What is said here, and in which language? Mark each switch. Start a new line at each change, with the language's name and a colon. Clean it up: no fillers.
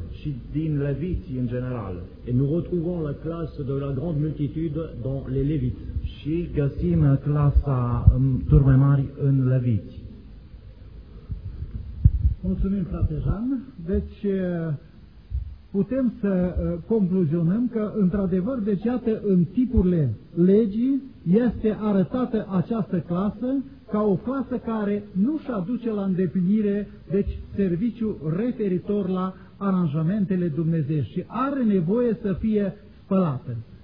Romanian: și din leviți în general.
French: Et nous retrouvons la classe de la grande multitude dans les lévites.
Romanian: Și găsim clasa turmei mari în leviți. Mulțumim, frate Jean. Deci putem să concluzionăm că într-adevăr, deci iată, în tipurile legii este arătată această clasă ca o clasă care nu își aduce la îndeplinire, deci, serviciu referitor la aranjamentele Dumnezeu și are nevoie să fie spălată.